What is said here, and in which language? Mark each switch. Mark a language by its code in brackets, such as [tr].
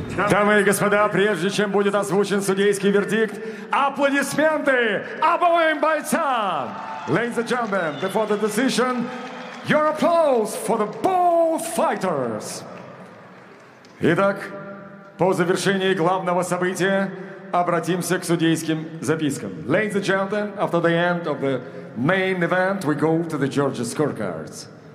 [ru] Дамы и господа, прежде чем будет озвучен судейский вердикт, аплодисменты обоим бойцам! [en] Ladies and gentlemen, before the decision, your applause for the both fighters! [ru] Итак, по завершении главного события обратимся к судейским запискам. [en] Ladies and gentlemen, after the end of the main event, we go to the judges' scorecards.